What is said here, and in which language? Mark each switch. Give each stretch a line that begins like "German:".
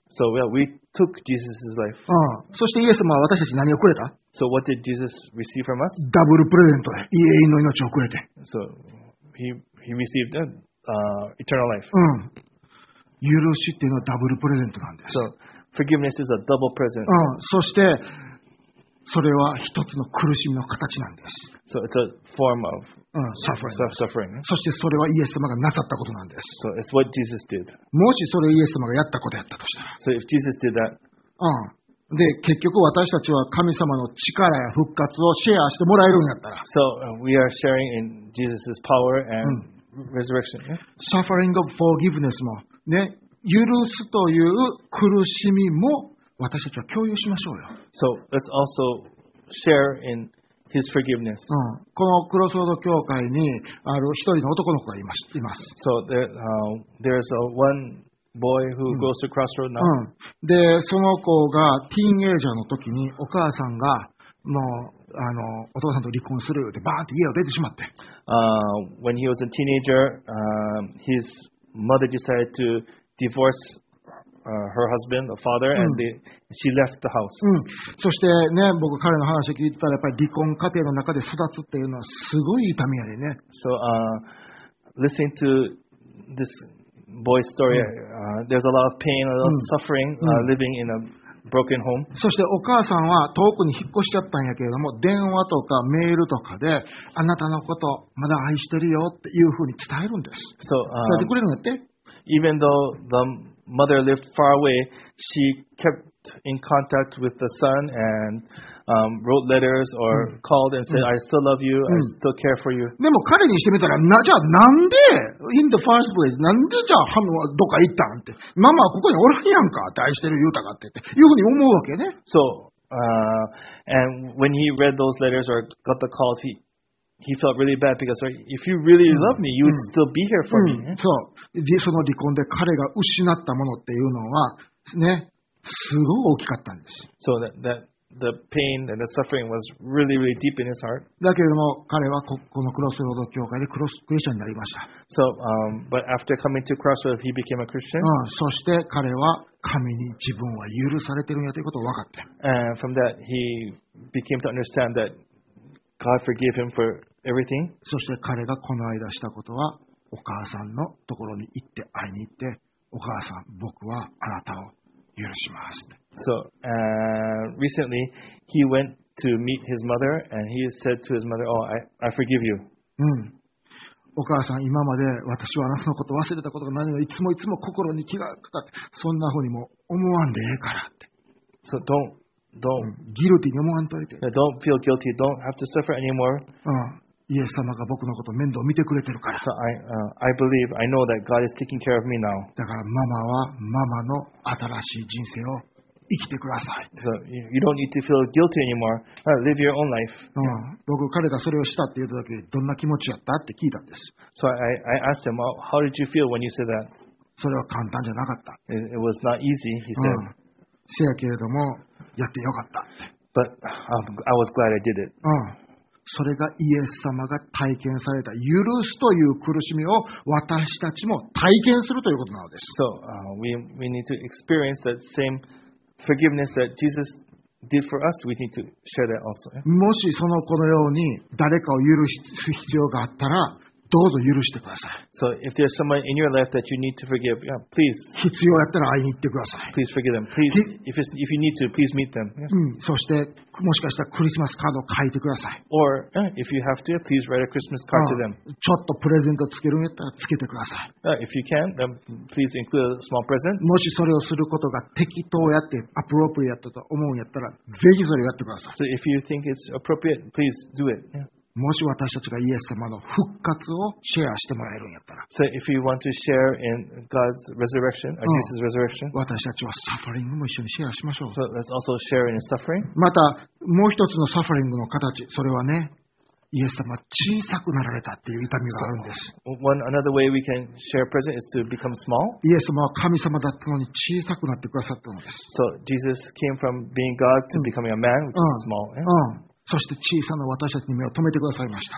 English: So well, we took Jesus's life.
Japanese: そしてイエス様は私たちに何をくれた？
English: So what did Jesus receive from us?
Japanese: ダブルプレゼントで永遠の命をくれて。
English: So he received eternal life.
Japanese: 許しっていうのはダブルプレゼントなんです。
English: So forgiveness is a double present.
Japanese: そしてそれは一つの苦しみの形なんです。
English: So it's a form of suffering.
Japanese: そしてそれはイエス様がなさったことなんです。
English: So it's what Jesus did.
Japanese: もしそれイエス様がやったことやったとしたら。
English: So if Jesus did that.
Japanese: で、結局私たちは神様の力や復活をシェアしてもらえるんやったら。
English: So we are sharing in Jesus' power and resurrection. Suffering of forgiveness
Japanese: も、ね、許すという苦しみも私たちは共有しましょうよ。
English: So let's also share in his forgiveness.
Japanese: このクロスロード教会にある一人の男の子がいます。
English: So there's a one boy who goes to crossroad now.
Japanese: で、その子がティーンエイジャーの時にお母さんがもうあのお父さんと離婚するってバーンって家を出てしまって。
English: When he was a teenager, his mother decided to divorce. Her husband, the father, and she left the house.
Japanese: そしてね、僕彼の話を聞いてたらやっぱり離婚家庭の中で育つっていうのはすごい痛みやでね。
English: So, listening to this boy's story, there's a lot of pain, a lot of suffering, living in a broken home.
Japanese: そしてお母さんは遠くに引っ越しちゃったんやけれども、電話とかメールとかであなたのことまだ愛してるよっていうふうに伝えるんです。
English: So,
Japanese: 伝えてくれるんやって。
English: Even though the mother lived far away, she kept in contact with the son and wrote letters or called and said, I still love you, I still care for you.
Japanese: でも彼にしてみたら、じゃあなんで、
English: in the first place,
Japanese: なんでじゃあハムはどこか行ったんって、ママはここにおらんやんかって愛してる言うたかって、いうふうに思うわけね。
English: So, And when he read those letters or got the calls, he felt really bad because if you really love me, you would still be here for me.
Japanese: そう。その離婚で彼が失ったものっていうのはね、すごい大きかったんです。
English: So that the pain and the suffering was really, really deep in his heart.
Japanese: だけども彼はこのクロスロード教会でクロスクリスチャンになりました。
English: So, but after coming to Crossroads, he became a Christian.
Japanese: そして彼は神に自分は許されてるんやということを分かって。
English: And from that, he became to understand that God forgave him for everything.
Japanese: そして彼がこの間したことは、お母さんのところに行って会いに行って、お母さん、僕はあなたを許します。
English: So, recently, he went to meet his mother, and he said to his mother, oh, I forgive you.
Japanese: お母さん、今まで私はあなたのことを忘れたことが何がいつもいつも心に気がかかって、そんなふうにも思わんでええからって。
English: So, don't
Japanese: ギルティに思わんといて。
English: Don't feel guilty. Don't have to suffer anymore.
Japanese: イエス様が僕のことを面倒見てくれてるから。
English: So I believe, I know that God is taking care of me now.
Japanese: だからママはママの新しい人生を生きてください。
English: So you don't need to feel guilty anymore. Live your own life.
Japanese: 僕彼がそれをしたって言った時、どんな気持ちやったって聞いたんです。
English: So I asked him, how did you feel when you said that?
Japanese: それは簡単じゃなかった。
English: It was not easy, he said.
Japanese: せやけれども、やってよかった。
English: But I was glad I did it.
Japanese: それがイエス様が体験された許すという苦しみを私たちも体験するということなのです。
English: So we need to experience that same forgiveness that Jesus did for us. We need to share that also.
Japanese: もしその子のように誰かを許す必要があったら、どうぞ許してください。
English: So if there's someone in your life that you need to forgive, yeah, please.
Japanese: 必要やったら会いに行ってください。
English: Please forgive them. Please, if you need to, please meet them. Yeah.
Japanese: そしてもしかしたらクリスマスカードを書いてください。
English: Or if you have to, please write a Christmas card to them.
Japanese: ちょっとプレゼントつけるんやったらつけてください。
English: If you can, then please include a small present.
Japanese: もしそれをすることが適当やってアプロプリやったと思うんやったら、ぜひそれをやってください。
English: So if you think it's appropriate, please do it. Yeah.
Japanese: もし私たちがイエス様の復活をシェアしてもらえるんやったら、
English: so if you want to share in God's resurrection, or Jesus' resurrection,
Japanese: 私たちはサファリングも一緒にシェアしましょう。
English: So let's also share in suffering.
Japanese: またもう一つのサファリングの形、それはね、イエス様小さくなられたっていう痛みがあるんです。
English: One another way we can share present is to become small.
Japanese: イエス様は神様だったのに小さくなってくださったのです。
English: So Jesus came from being God to becoming a man, which is small.
Japanese: そして小さな私たちに目を止めてくださいました。